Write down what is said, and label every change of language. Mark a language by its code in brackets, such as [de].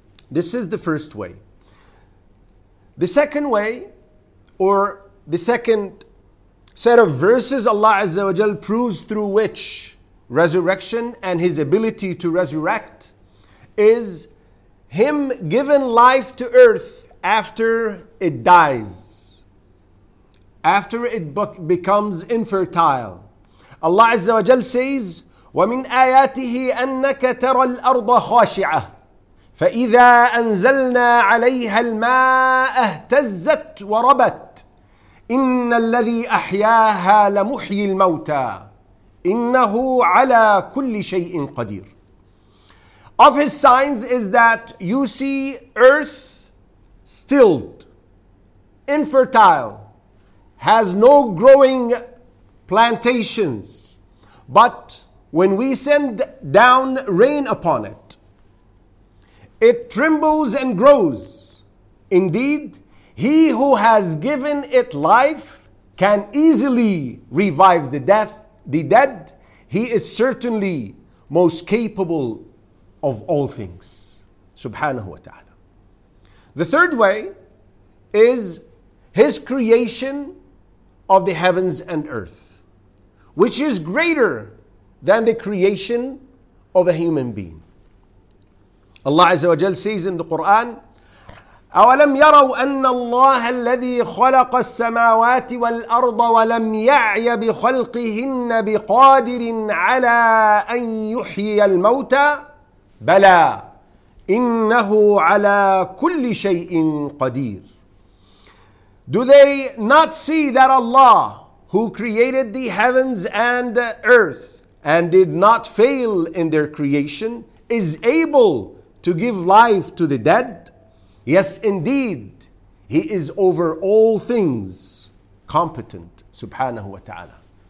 [en] This is the first way. The second way, or the second set of verses Allah Azza wa Jal proves through which resurrection and His ability to resurrect is Him giving life to earth after it dies, after it becomes infertile. Allah Azza wa Jal says, [ar] وَمِنْ آيَاتِهِ أَنَّكَ تَرَى الْأَرْضَ خَاشِعَةً فَإِذَا أَنزَلْنَا عَلَيْهَا الْمَاءَ اهْتَزَّتْ وَرَبَتْ إِنَّ الَّذِي أَحْيَاهَا لَمُحْيِي الْمَوْتَى إِنَّهُ عَلَى كُلِّ شَيْءٍ قَدِيرٌ. [en] Of his signs is that you see earth stilled, infertile, has no growing plantations, but when we send down rain upon it, it trembles and grows. Indeed, he who has given it life can easily revive the dead. He is certainly most capable of all things. Subhanahu wa ta'ala. The third way is his creation of the heavens and earth, which is greater than the creation of a human being. Allah Azza wa Jal says in the Quran, [ar] أولم يروا أن الله الذي خلق السماوات والأرض ولم يعي بخلقهن بقادر على أن يحيي الموتى بلى إنه على كل شيء قدير. [en] Do they not see that Allah, who created the heavens and the earth and did not fail in their creation, is able to give life to the dead? Yes, indeed, He is over all things competent, subhanahu wa ta'ala.